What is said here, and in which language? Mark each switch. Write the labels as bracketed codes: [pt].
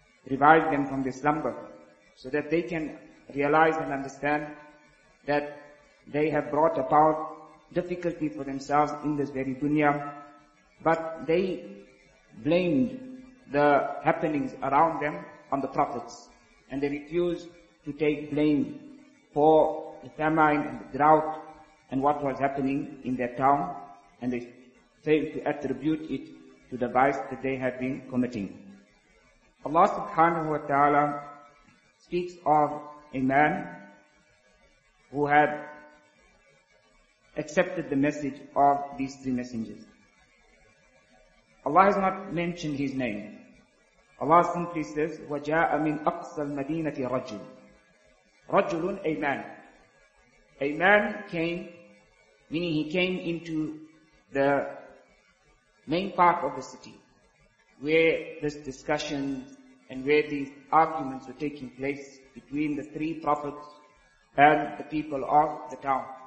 [en] revive them from their slumber so that they can realize and understand that they have brought about difficulty for themselves in this very dunya, but they blamed the happenings around them on the prophets, and they refused to take blame for the famine and the drought and what was happening in their town, and they failed to attribute it to the vice that they had been committing. Allah subhanahu wa ta'ala speaks of a man who had accepted the message of these three messengers. Allah has not mentioned his name. Allah simply says, [ar] وَجَاءَ مِنْ أَقْصَى الْمَدِينَةِ رَجُلٌ رَجُلٌ [en] a man. A man came, meaning he came into the main part of the city where this discussion and where these arguments were taking place between the three prophets and the people of the town.